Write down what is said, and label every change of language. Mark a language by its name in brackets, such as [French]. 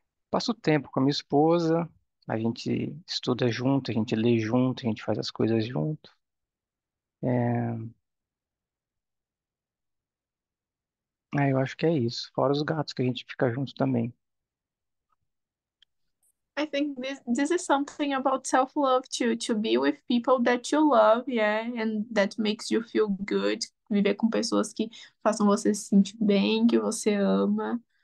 [Portuguese] Passo tempo com a minha esposa. A gente estuda junto, a gente lê junto, a gente faz as coisas junto. Eu acho que é isso. Fora os gatos que a gente fica junto também. [English] I think this is something about self-love too, to be with people that you love, and that makes you feel good. [Portuguese] Viver com pessoas que façam você se sentir bem, que você ama.